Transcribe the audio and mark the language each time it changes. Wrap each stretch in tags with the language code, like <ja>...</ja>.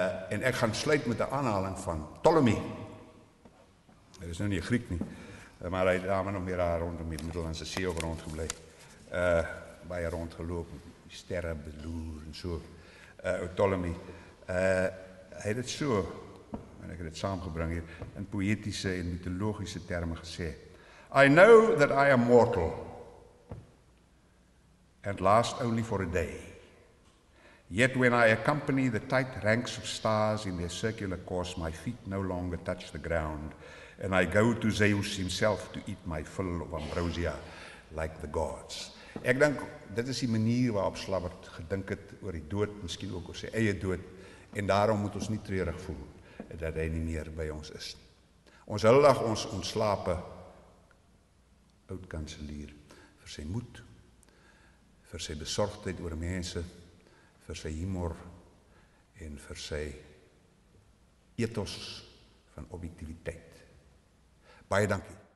<af>En ek gaan sluit met 'n aanhaling van Ptolemy. Hy is nou nie 'n Griek nie, maar hy het daarmee nog meer rondom die Middellandse See ook rondgebly. Baie rondgeloop, die sterre beloer en so. Ptolemy, hy het dit so, en ek het dit saamgebring hier, in poëtiese en mythologiese terme gesê.</af> <en>I know that I am mortal, and last only for a day. Yet when I accompany the tight ranks of stars in their circular course, my feet no longer touch the ground, and I go to Zeus himself to eat my fill of ambrosia like the gods.</en> <af>Ek dink, dit is die manier waarop Slabbert gedink het oor die dood, miskien ook oor sy eie dood, en daarom moet ons nie treurig voel dat hy nie meer by ons is. Ons huldig ons ontslape oud-kanselier vir sy moed, vir sy besorgdheid oor mense, vir sy humor en vir sy ethos van objektiviteit. Baie dankie.</af>